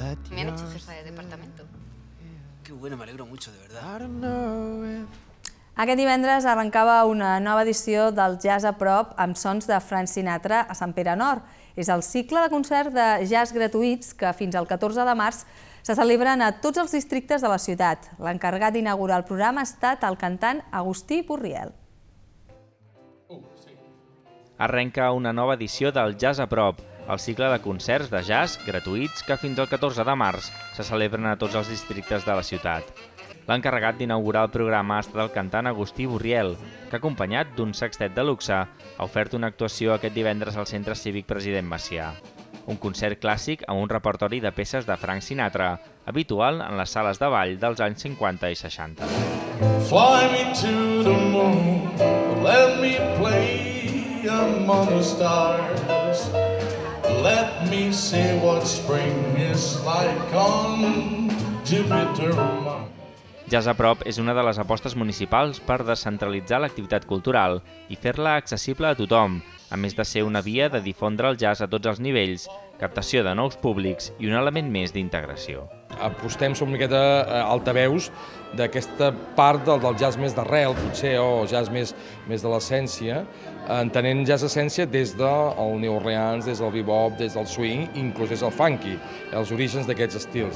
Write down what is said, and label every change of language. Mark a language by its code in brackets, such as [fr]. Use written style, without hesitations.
[es] Me han hecho jefa de departamento. Qué bueno, me alegro mucho, de verdad. [ca] Aquest divendres arrencava una nova edició del Jazz a prop amb sons de Frank Sinatra a Sant Pere Nord. És el cicle de concerts de jazz gratuïts que fins al 14 de març se celebren a tots els districtes de la ciutat. L'encarregat d'inaugurar el programa ha estat el cantant Agustí Burriel. Arrenca una nova edició del Jazz a prop, el cicle de concerts de jazz gratuïts que fins al 14 de març se celebren a tots els districtes de la ciutat. L'encarregat d'inaugurar el programa ha estat el cantant Agustí Burriel, que acompanyat d'un sextet de luxe ha ofert una actuació aquest divendres al Centre Cívic President Macià. Un concert clàssic amb un repertori de peces de Frank Sinatra, habitual en les sales de ball dels anys 50 i 60. [en] Fly me to the moon, let me play among the stars. Let me see what spring is like on Jupiter. [ca] Jazz a prop és una de les apostes municipals per descentralitzar l'activitat cultural i fer-la accessible a tothom, a més de ser una via de difondre el jazz a tots els nivells, captació de nous públics i un element més d'integració. Apostem sobre una miqueta altaveus d'aquesta part del jazz més d'arrel, potser, o jazz més de l'essència, entenent jazz essència des del New Orleans, des del bebop, des del swing, inclús des del funky, els orígens d'aquests estils.